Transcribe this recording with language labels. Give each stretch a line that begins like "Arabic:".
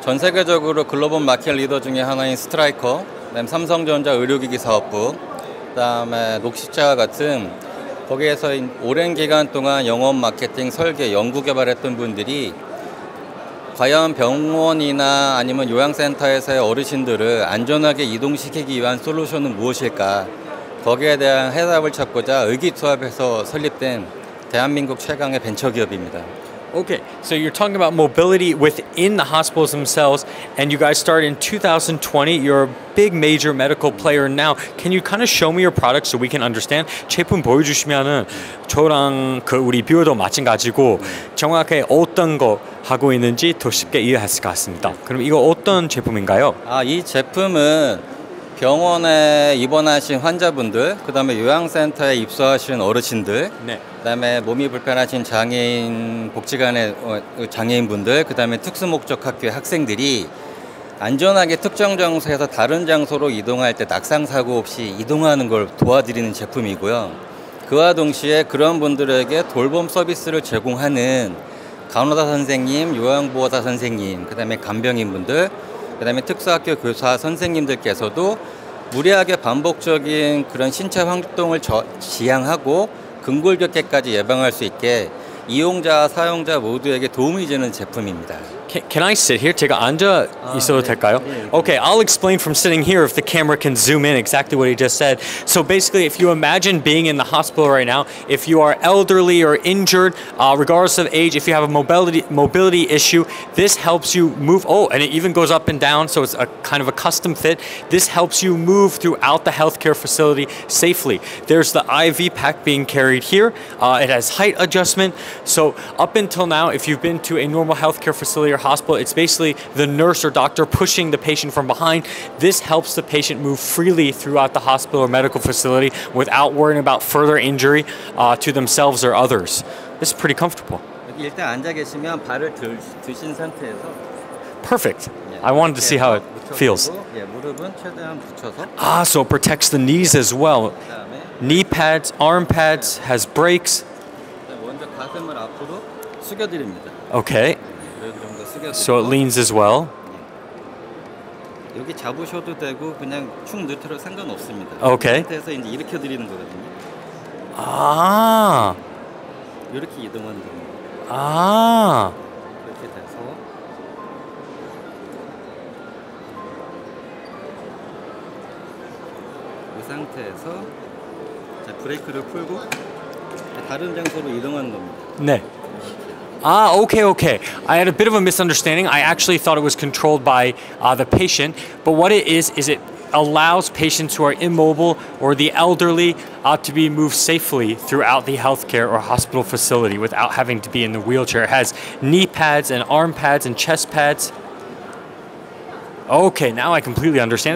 Korean: 전 세계적으로 글로벌 마켓 리더 중에 하나인 스트라이커, 그다음 삼성전자 의료기기 사업부, 그다음에 녹십자와 같은 거기에서 오랜 기간 동안 영업 마케팅 설계 연구 개발했던 분들이 과연 병원이나 아니면 요양센터에서의 어르신들을 안전하게 이동시키기 위한 솔루션은 무엇일까? 거기에 대한 해답을 찾고자 의기투합해서 설립된 대한민국 최강의 벤처 기업입니다.
English: Okay, so you're talking about mobility within the hospitals themselves, and you guys started in 2020. You're a big major medical player now. Can you kind of show me your product so we can understand?
Korean: 제품 보여주시면은 저랑 그 우리 뷰어도 마찬가지고 정확히 어떤 거 하고 있는지 더 쉽게 이해할 수 있습니다. 그럼 이거 어떤 제품인가요? 아, 이 제품은 병원에 입원하신 환자분들, 그 다음에 요양센터에 입소하신 어르신들, 네. 그 다음에 몸이 불편하신 장애인 복지관의 장애인분들, 그 다음에 특수목적학교의 학생들이 안전하게 특정 장소에서 다른 장소로 이동할 때 낙상사고 없이 이동하는 걸 도와드리는 제품이고요. 그와 동시에 그런 분들에게 돌봄 서비스를 제공하는 간호사 선생님, 요양보호사 선생님, 그 다음에 간병인분들, 그 다음에 특수학교 교사 선생님들께서도 무리하게 반복적인 그런 신체 활동을 지향하고 근골격계까지 예방할 수 있게 이용자, 사용자 모두에게 도움이 되는 제품입니다.
English: Can I sit here?
Korean: 제가 앉아 있어도 네. 될까요? 네.
English: Okay, I'll explain from sitting here if the camera can zoom in exactly what he just said. So basically, if you imagine being in the hospital right now, if you are elderly or injured, regardless of age, if you have a mobility issue, this helps you move. Oh, and it even goes up and down, so it's a kind of a custom fit. This helps you move throughout the healthcare facility safely. There's the IV pack being carried here. It has height adjustment. So up until now, if you've been to a normal healthcare facility or hospital, it's basically the nurse or doctor pushing the patient from behind. This helps the patient move freely throughout the hospital or medical facility without worrying about further injury to themselves or others. This is pretty comfortable.
Korean: 일단 앉아 계시면 발을 드신 상태에서
English: Perfect. I wanted to see how it feels.
Korean: 예, 무릎은 최대한 붙여서
English: Ah, so it protects the knees as well.
Korean: 그다음에,
English: Knee pads, arm pads, has brakes.
Korean: 먼저 가슴을 앞으로 숙여드립니다.
English: Okay. So it leans as well.
Korean: 여기 잡으셔도 되고 그냥 축 뉴트럴 상관없습니다.
English: Okay.
Korean: 상태에서 이제 일으켜 드리는 거거든요. 아. 이렇게 이동하는 겁니다. 아. 이렇게 돼서 이 상태에서 자, 브레이크를 풀고 다른 장소로 이동하는 겁니다. 네.
English: Ah, okay, okay. I had a bit of a misunderstanding. I actually thought it was controlled by the patient. But what it is it allows patients who are immobile or the elderly to be moved safely throughout the healthcare or hospital facility without having to be in the wheelchair. It has knee pads and arm pads and chest pads. Okay, now I completely understand.